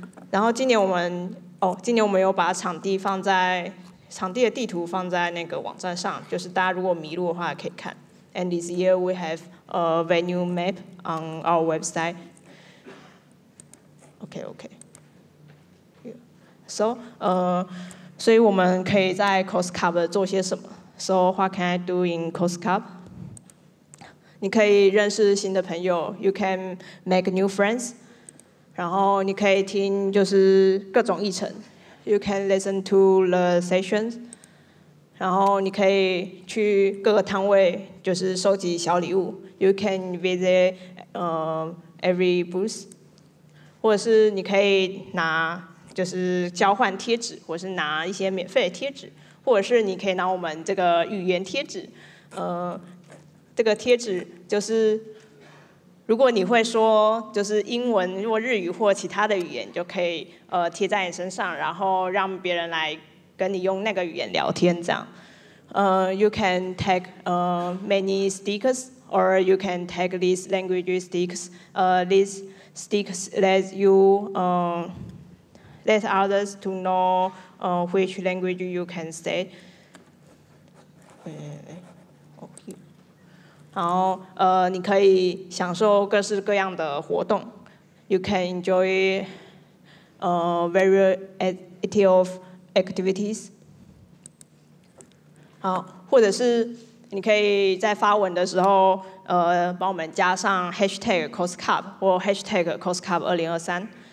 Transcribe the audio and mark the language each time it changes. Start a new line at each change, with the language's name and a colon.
Chinese: 然后今年我们有把场地的地图放在那个网站上，就是大家如果迷路的话可以看。
English: And this year we have a venue map on our website. Okay. So,
Chinese: 所以我们可以在 Cost Cup 做些什么
English: ？So, what can I do in Cost Cup?
Chinese: 你可以认识新的朋友
English: ，You can make new friends.
Chinese: 然后你可以听就是各种议程 ，
English: You can listen to the sessions.
Chinese: 然后你可以去各个摊位就是收集小礼物 ，
English: You can visit every booth.
Chinese: 或者是你可以拿就是交换贴纸，或者是拿一些免费的贴纸，或者是你可以拿我们这个语言贴纸，这个贴纸就是如果你会说就是英文或日语或其他的语言，就可以贴在你身上，然后让别人来跟你用那个语言聊天这样。
English: You can take many stickers, or you can take these language stickers. These stickers let you let others to know which language you can say.
Chinese: 然后你可以享受各式各样的活动。
English: You can enjoy a variety of activities.
Chinese: 好，或者是你可以在发文的时候帮我们加上 hashtag coscup 或 hashtag coscup 2023。